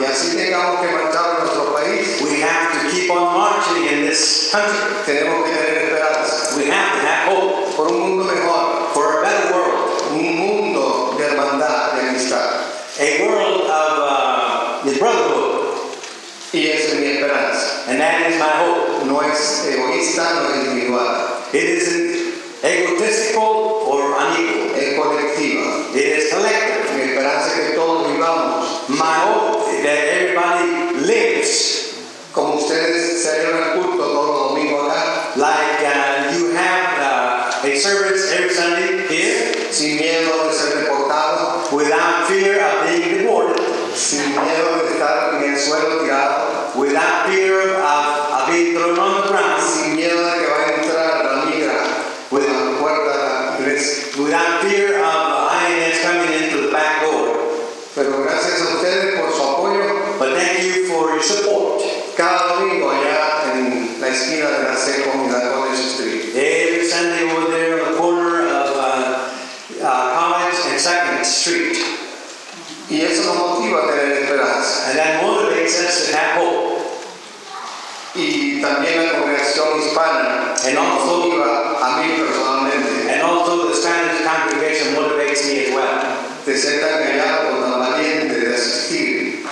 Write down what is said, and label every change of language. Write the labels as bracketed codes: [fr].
[es] y así tengamos que marchar a nuestro país, [en] we have to keep on marching in this country. [es] Tenemos que tener esperanza. [en] We have to have hope [es] for un mundo mejor, [en] for a better world, [es] un mundo de hermandad, de amistad, [en] a world of brotherhood. [es] Y esa es mi esperanza. [en] And that is my hope. [es] No es egoísta, no es individual. [en] It isn't egotistical or unequal. [es] Es colectiva. [en] It is collective. [es] Mi esperanza es que todos vivamos. [en] My hope is that everybody lives. [es] Como ustedes celebran culto todos los domingos acá. [en] Like you have a service every Sunday here. [es] Sin miedo de ser deportado. [en] Without fear of being deported. [es] Sin miedo de estar en el suelo tirado. [en] Without fear of being thrown on the ground. [es] Sin miedo de que vaya a entrar la migra por la puerta de la iglesia. [en] Without fear of INS coming into the back door. [es] Pero gracias a ustedes por su apoyo. [en] But thank you for your support. [es] Cada domingo allá en la esquina de la Seco y la College Street. [en] Every Sunday we're there on the corner of College and Second Street. [es] Y eso nos motiva a tener esperanza. [en] And that motivates us to have hope. [es] Y también la congregación hispana, [en] and also [es] a mí personalmente. [en] And also the Spanish congregation motivates me as well. [es] De ser tan callado, tan valiente de asistir